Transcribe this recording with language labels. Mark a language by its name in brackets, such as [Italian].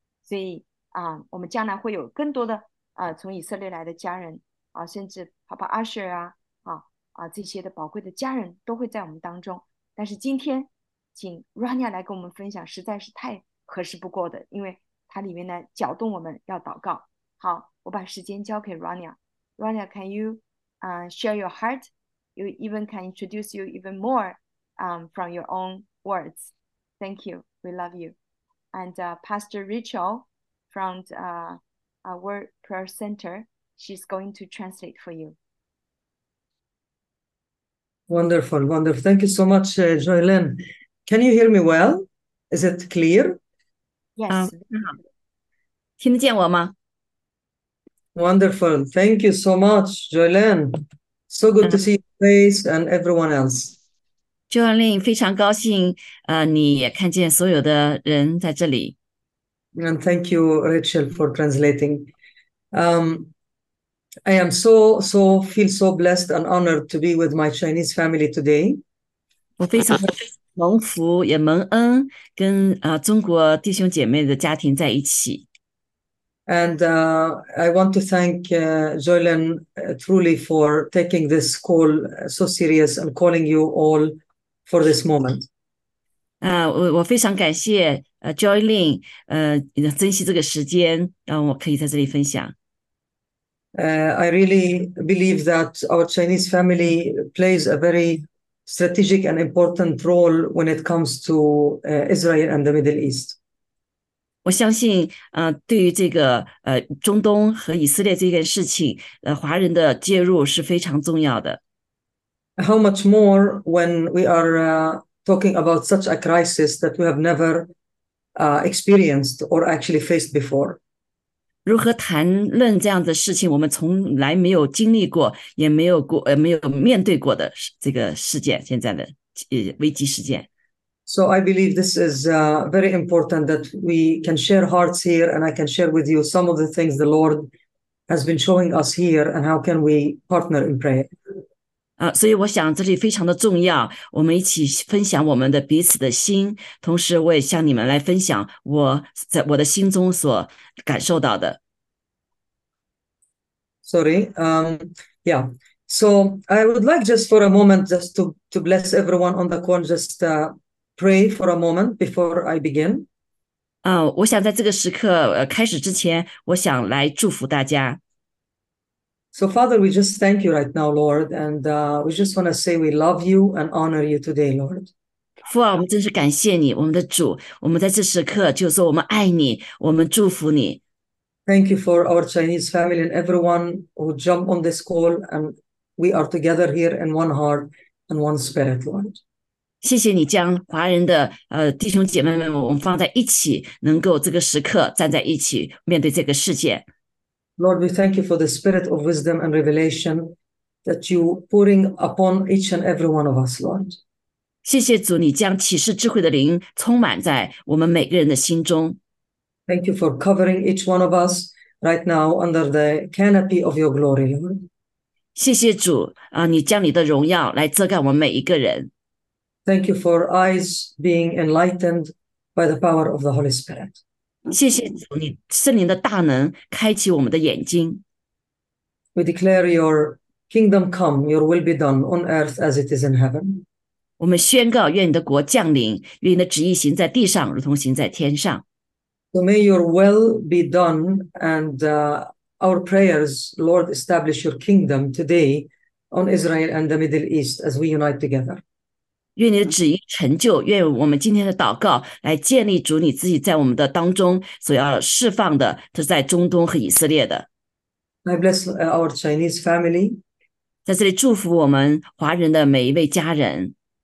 [Chinese] 所以我们将来会有更多的从以色列来的家人甚至 Papa Asher 这些的宝贵的家人都会在我们当中。但是今天，请 Rania 来跟我们分享，实在是太合适不过的，因为它里面呢搅动我们要祷告。好，我把时间交给 Rania。Rania， [English] can you share your heart? You even can introduce you even more from your own words. Thank you. We love you. And Pastor Rachel from our prayer center, she's going to translate for you. Wonderful, wonderful. Thank you so much, Joylene. Can you hear me well? Is it clear? Yes. [Chinese] 听得见我吗？ [English] Wonderful. Thank you so much, Joylene. So good to see your face and everyone else. [Chinese] Joanne，非常高兴，你也看见所有的人在这里。 [English] And thank you, Rachel, for translating. I am so feel so blessed and honored to be with my Chinese family today. [Chinese] 我非常蒙福也蒙恩，跟中国弟兄姐妹的家庭在一起。 [English] And I want to thank Joylen truly for taking this call so serious and calling you all for this moment. [Chinese] 我非常感谢Joyling，珍惜这个时间，让我可以在这里分享。 [English] I really believe that our Chinese family plays a very strategic and important role when it comes to Israel and the Middle East. [Chinese] 我相信，对于这个中东和以色列这件事情，华人的介入是非常重要的。 [English] How much more when we are talking about such a crisis that we have never experienced or actually faced before? [Chinese] 如何谈论这样的事情，我们从来没有经历过，也没有过，没有面对过的这个事件，现在的危机事件。 [English] So I believe this is very important that we can share hearts here, and I can share with you some of the things the Lord has been showing us here, and how can we partner in prayer. [Chinese] 所以我想这里非常的重要，我们一起分享我们的彼此的心，同时我也向你们来分享我在我的心中所感受到的。 [English] Sorry, yeah. So I would like just for a moment just to bless everyone on the call, just pray for a moment before I begin. [Chinese] 我想在这个时刻开始之前，我想来祝福大家。 [English] So Father, we just thank you right now, Lord, and we just want to say we love you and honor you today, Lord. [Chinese] 父啊，我们真是感谢你，我们的主。我们在这时刻就说我们爱你，我们祝福你。 [English] Thank you for our Chinese family and everyone who jumped on this call, and we are together here in one heart and one spirit, Lord. [Chinese] 谢谢你将华人的弟兄姐妹们，我们放在一起，能够这个时刻站在一起，面对这个世界。 [English] Lord, we thank you for the spirit of wisdom and revelation that you pouring upon each and every one of us, Lord. [Chinese] 谢谢主，你将启示智慧的灵充满在我们每个人的心中。 [English] Thank you for covering each one of us right now under the canopy of your glory, Lord. [Chinese] 谢谢主啊，你将你的荣耀来遮盖我们每一个人。 [English] Thank you for eyes being enlightened by the power of the Holy Spirit. [Chinese] 谢谢主，你圣灵的大能开启我们的眼睛。 [English] We declare your kingdom come, your will be done on earth as it is in heaven. [Chinese] 我们宣告，愿你的国降临，愿你的旨意行在地上，如同行在天上。 [English] So may your will be done and our prayers, Lord, establish your kingdom today on Israel and the Middle East as we unite together. [Chinese] 愿你的旨意成就，愿我们今天的祷告来建立主你自己在我们的当中所要释放的，这是在中东和以色列的。 [English] I bless our Chinese family. [Chinese] 在这里祝福我们华人的每一位家人。